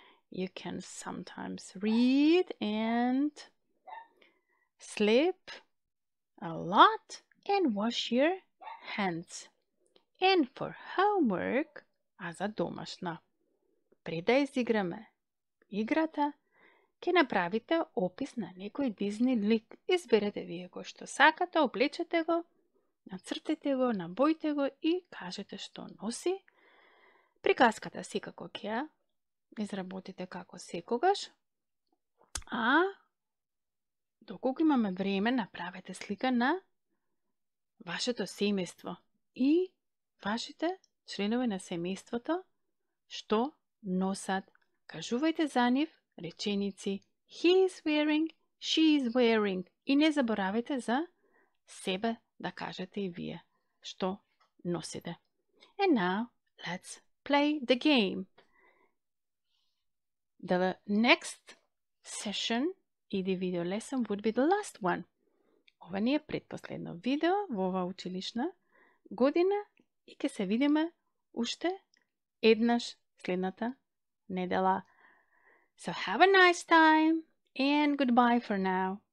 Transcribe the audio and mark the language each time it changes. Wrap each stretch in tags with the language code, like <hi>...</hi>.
<en>You can sometimes read and sleep a lot and wash your hands. And for homework,</en> <mk>а за домашна, пред да изиграме играта, ќе направите опис на некој Дизни лик. Изберете вие го што сакате, облечете го, нацртете го, набојте го и кажете што носи. Приказката секако ќе ја изработите како секогаш. А доколку имаме време, направете слика на вашето семејство и вашите членови на семејството што носат. Кажувајте за нив реченици.</mk> <en>He is wearing, she is wearing.</en> <mk>И не заборавајте за себе да кажете и вие што носите.</mk> <en>And now, let's play the game. The next session и the video lesson would be the last one.</en> <mk>Ова не е предпоследно видео во ова училишна година и ќе се видиме уште еднаш следната недела.</mk> <en>So have a nice time and goodbye for now.</en>